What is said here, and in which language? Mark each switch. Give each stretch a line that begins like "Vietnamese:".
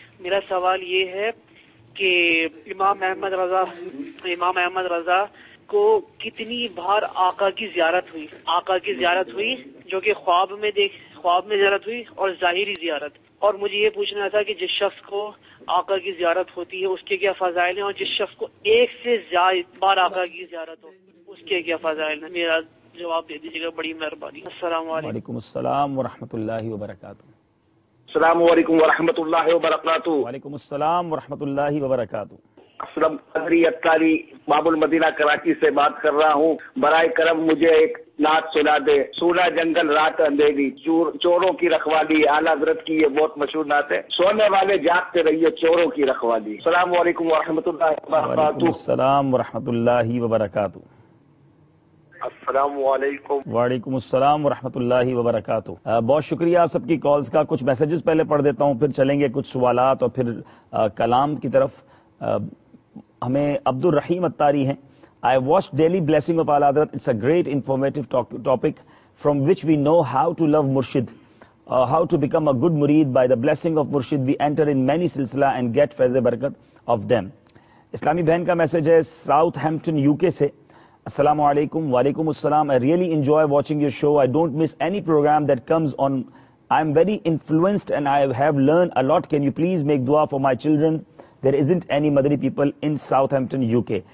Urdu: میرا سوال یہ ہے کہ امام احمد رضا کو کتنی بار آقا کی زیارت ہوئی جو کہ خواب میں زیارت ہوئی اور ظاہری زیارت. اور مجھے یہ پوچھنا تھا کہ جس شخص کو آقا کی زیارت ہوتی ہے اس کے کیا فضائل ہیں, اور جس شخص کو ایک سے زیادہ بار آقا کی زیارت ہو اس کے کیا فضائل ہیں. میرا جواب دے دیجیے گا بڑی مہربانی. السلام علیکم. وعلیکم السلام ورحمۃ اللہ وبرکاتہ. السلام علیکم ورحمۃ اللہ وبرکاتہ. وعلیکم السلام ورحمۃ اللہ وبرکاتہ. اسلم قادری عطاری باب المدینہ کراچی سے بات کر رہا ہوں. برائے کرم مجھے ایک نعت سنا دے. سونا جنگل رات اندھیری چوروں کی رکھوالی, اعلیٰ حضرت کی یہ بہت مشہور نعت ہے. سونے والے جاگتے رہیے چوروں کی رکھوالی. السلام علیکم ورحمۃ اللہ وبرکاتہ. السلام ورحمۃ اللہ وبرکاتہ. السلام علیکم. وعلیکم السلام ورحمۃ اللہ وبرکاتہ. بہت شکریہ آپ سب کی کالز کا. کچھ میسیجز پہلے پڑھ دیتا ہوں پھر چلیں گے کچھ سوالات اور پھر کلام کی طرف. ہمیں عبد الرحیم اتاری ہیں.
English: I watch daily blessing of all Hazrat. It's a great informative topic from which we know how to love murshid, how to become a good murid. By the blessing of murshid we enter in many silsila and get faiz barkat of them.
Urdu: اسلامی بہن کا message ہے ساؤتھ ہیمپٹن یو کے سے.
English: Assalamu alaikum. Waalaikum assalam. I really enjoy watching your show. I don't miss any program that comes on. I'm very influenced and I have learned a lot. Can you please make dua for my children? There isn't any Madri people in Southampton, UK.